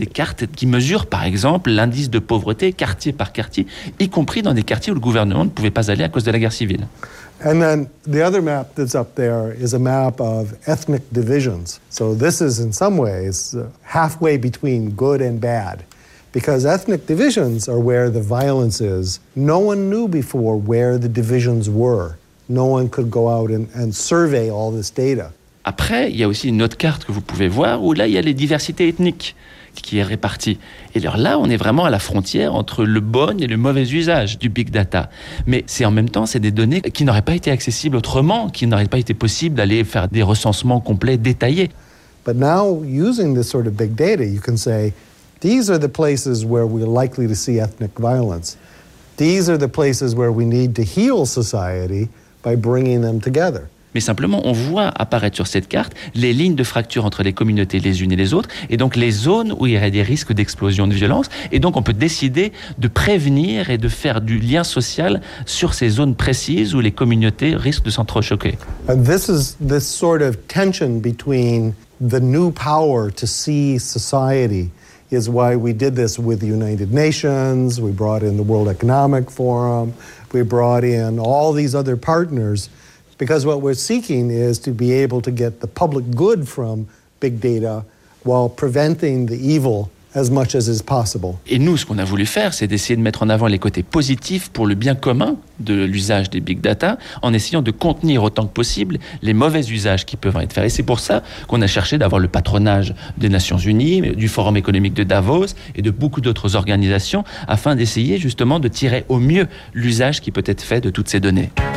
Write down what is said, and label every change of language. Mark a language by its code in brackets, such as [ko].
[fr] Des cartes qui mesurent, par exemple, l'indice de pauvreté quartier par quartier, y compris dans des quartiers où le gouvernement ne pouvait pas aller à cause de la guerre civile. [en] And then the other map that's up there is a map of ethnic divisions. So this is in some ways halfway between good and bad. Because ethnic divisions are where the violence is. No one knew before where the divisions were. No one could go out and survey all this data. [fr] Après, il y a aussi une autre carte que vous pouvez voir où là, il y a les diversités ethniques qui est répartie. Et alors là, on est vraiment à la frontière entre le bon et le mauvais usage du big data. Mais c'est en même temps, c'est des données qui n'auraient pas été accessibles autrement, qui n'auraient pas été possible d'aller faire des recensements complets, détaillés. [en] But now, using this sort of big data, you can say, these are the places where we're likely to see ethnic violence. These are the places where we need to heal society by bringing them together. [fr] Mais simplement, on voit apparaître sur cette carte les lignes de fracture entre les communautés les unes et les autres, et donc les zones où il y aurait des risques d'explosion de violence. Et donc, on peut décider de prévenir et de faire du lien social sur ces zones précises où les communautés risquent de s'entrechoquer. [en] And this is this sort of tension between the new power to see society is why we did this with the United Nations, we brought in the World Economic Forum, we brought in all these other partners. Because what we're seeking is to be able to get the public good from big data while preventing the evil as much as is possible. [fr] Et nous, ce qu'on a voulu faire, c'est d'essayer de mettre en avant les côtés positifs pour le bien commun de l'usage des big data en essayant de contenir autant que possible les mauvais usages qui peuvent être faits. Et c'est pour ça qu'on a cherché d'avoir le patronage des Nations Unies, du Forum économique de Davos et de beaucoup d'autres organisations afin d'essayer justement de tirer au mieux l'usage qui peut être fait de toutes ces données.